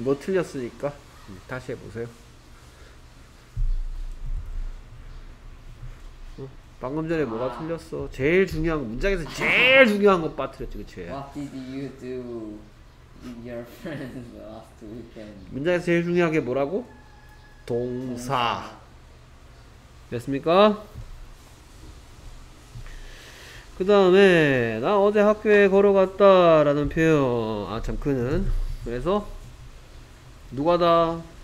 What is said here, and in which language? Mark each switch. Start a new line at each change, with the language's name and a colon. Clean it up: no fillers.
Korean: 뭐 틀렸으니까 다시 해보세요 어? 방금 전에 아. 뭐가 틀렸어 제일 중요한 문장에서 제일 중요한 거 빠뜨렸지 그치
English: What did you do with your friends last weekend
Korean: 문장에서 제일 중요한 게 뭐라고? 동사. 됐습니까? 그 다음에 나 어제 학교에 걸어갔다 라는 표현. 아 참 그는. 그래서 누가 다?